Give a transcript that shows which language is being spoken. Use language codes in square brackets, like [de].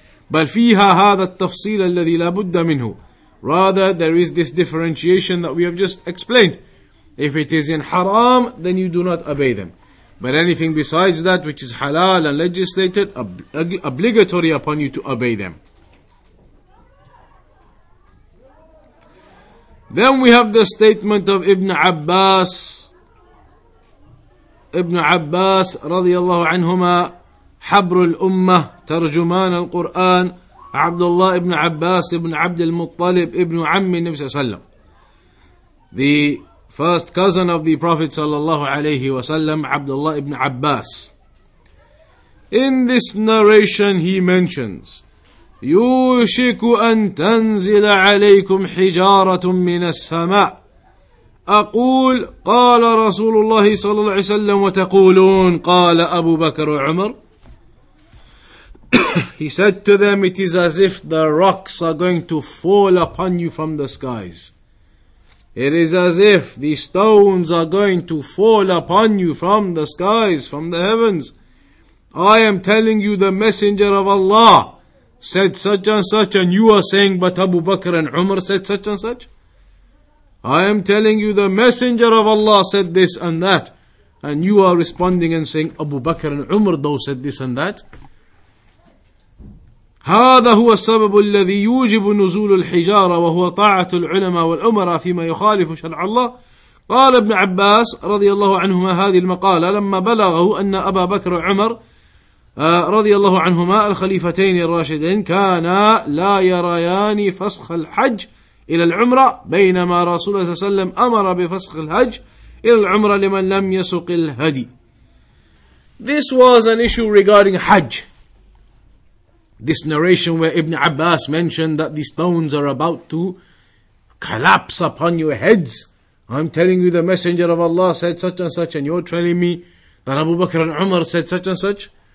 [ar] بَلْ فِيهَا هَذَا التَّفْصِيلَ الَّذِي لَا بُدَّ مِنْهُ. [en] Rather, there is this differentiation that we have just explained. If it is in haram, then you do not obey them. But anything besides that, which is halal and legislated, obligatory upon you to obey them. Then we have the statement of Ibn Abbas, radiyallahu anhuma, [ar] حبر الأمة ترجمان القرآن عبد الله ابن عباس ابن عبد المطلب ابن عم النبي صلى الله عليه وسلم. [en] The first cousin of the Prophet [ar] صلى الله عليه وسلم, [en] عبد الله ابن عباس. In this narration he mentions, [ar] يوشك أن تنزل عليكم حجارة من السماء. أقول قال رسول الله صلى الله عليه وسلم وتقولون قال أبو بكر وعمر. [en] He said to them, it is as if the rocks are going to fall upon you from the skies. It is as if the stones are going to fall upon you from the skies, from the heavens. I am telling you, the messenger of Allah said such and such, and you are saying, but Abu Bakr and Umar said such and such. I am telling you, the messenger of Allah said this and that, and you are responding and saying, Abu Bakr and Umar though said this and that. [ar] هذا هو السبب الذي يوجب نزول الحجارة وهو طاعة العلماء والأمراء فيما يخالف شرع الله. قال ابن عباس رضي الله عنهما هذه المقالة لما بلغه أن أبا بكر وعمر رضي الله عنهما الخليفتين الراشدين كانا لا يريان فسخ الحج إلى العمرة, بينما رسول الله صلى الله عليه وسلم أمر بفسخ الحج إلى العمرة لمن لم يسق الهدي. [en] This was an issue regarding Hajj. This narration where Ibn Abbas mentioned that the stones are about to collapse upon your heads. I'm telling you, the messenger of Allah said such and such, and you're telling me that Abu Bakr and Umar said such and such.